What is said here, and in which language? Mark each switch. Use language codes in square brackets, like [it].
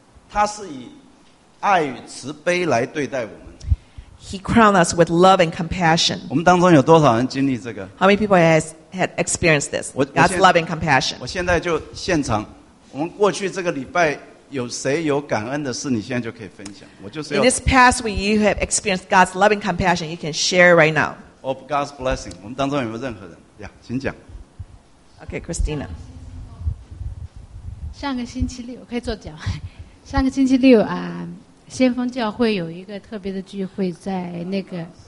[zh] 他是以爱与慈悲来对待我们。 [en] He crowned us with love and compassion. [zh] 我们当中有多少人经历这个？ [en] How many people has had experienced this? God's love and compassion. [zh] 我现在就现场，我们过去这个礼拜有谁有感恩的事，你现在就可以分享。我就是要。 [en] In this past week, you have experienced God's love and compassion. You can share right now. Of God's blessing. [zh] 我们当中有没有任何人？呀，请讲。 [en] Okay, Christina. [zh] 上个星期六可以坐脚。上个星期六啊，先锋教会有一个特别的聚会，在那个。